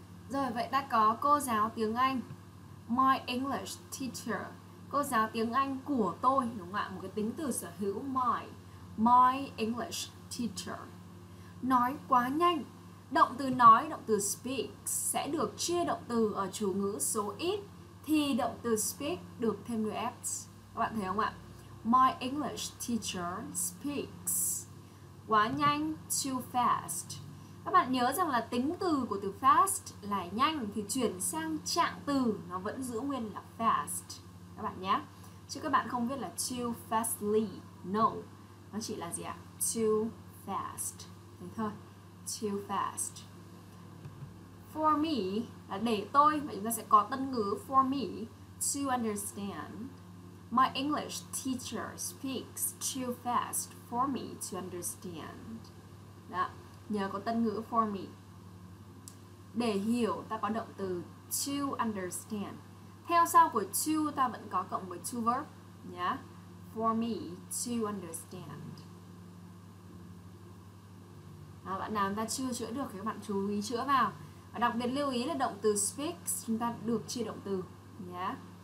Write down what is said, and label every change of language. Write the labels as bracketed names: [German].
[Vietnamese] Rồi, vậy ta có cô giáo tiếng Anh, [English] my English teacher, [Vietnamese] cô giáo tiếng Anh của tôi, đúng không ạ? Một cái tính từ sở hữu my English teacher. Nói quá nhanh, động từ nói, động từ speak sẽ được chia động từ ở chủ ngữ số ít, thì động từ speak được thêm đuôi s. Các bạn thấy không ạ? [English] My English teacher speaks. [Vietnamese] Quá nhanh, [English] too fast. [Vietnamese] Các bạn nhớ rằng là tính từ của từ fast là nhanh, thì chuyển sang trạng từ nó vẫn giữ nguyên là fast các bạn nhé. Chứ các bạn không biết là [English] too fastly, no, [Vietnamese] nó chỉ là gì ạ? [English] Too fast. [Vietnamese] Thế thôi, [English] too fast. [Vietnamese] For me là để tôi, và chúng ta sẽ có tân ngữ [English] for me to understand. My English teacher speaks too fast for me to understand. [Vietnamese] Đó, nhờ có tân ngữ [English] for me. [Vietnamese] Để hiểu ta có động từ [English] to understand. [Vietnamese] Theo sau của to ta vẫn có cộng với to verb nhá. [English] For me to understand. [Vietnamese] Đó, bạn nào ta chưa chữa được thì các bạn chú ý chữa vào. Và đặc biệt lưu ý là động từ speak chúng ta được chia động từ nhá.